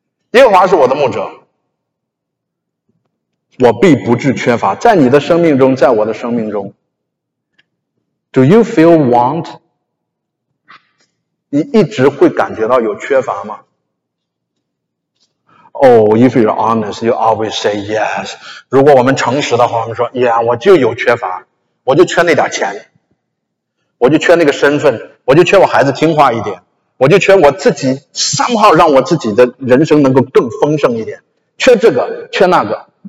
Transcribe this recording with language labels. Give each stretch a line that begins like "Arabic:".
Chinese: 耶和华是我的牧者，我必不致缺乏。在你的生命中，在我的生命中，
English: Do you feel want?
Chinese: 你一直会感觉到有缺乏吗？
English: Oh, if you're honest, you always say yes.
Chinese: 如果我们诚实的话，我们说 Yeah, 我就有缺乏，我就缺那点钱，我就缺那个身份，我就缺我孩子听话一点，我就缺我自己 somehow 让我自己的人生能够更丰盛一点，缺这个缺那个。